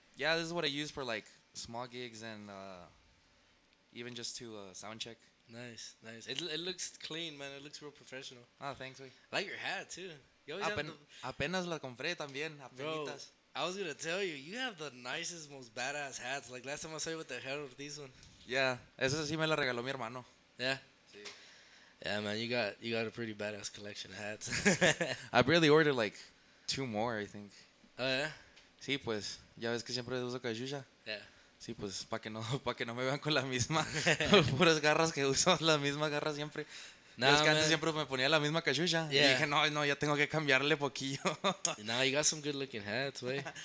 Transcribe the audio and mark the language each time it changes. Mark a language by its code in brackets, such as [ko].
[en] Yeah, this is what I use for, like, small gigs and even just to sound check. Nice, nice. It looks clean, man. It looks real professional. Oh, thanks, güey. I like your hat, too. You always [es] apenas la compré también. Apenitas. [en] Bro. I was going to tell you, you have the nicest, most badass hats. Like, last time I saw you with the hat of this one. [es] Yeah, esa sí me la regaló mi hermano. [en] Yeah? [es] Sí. [en] Yeah, man, you got a pretty badass collection of hats. I barely ordered, like, two more, I think. Oh, yeah? [es] Sí, pues, ya ves que siempre uso cachucha. [en] Yeah. [es] Sí, pues, pa que no me vean con la misma, puras garras que uso, la misma garra siempre. Nah, es que antes siempre me ponía la misma cachucha. [en] Yeah. [es] Y dije, no, ya tengo que cambiarle poquillo. [en] Nah, you got some good looking hats, wey.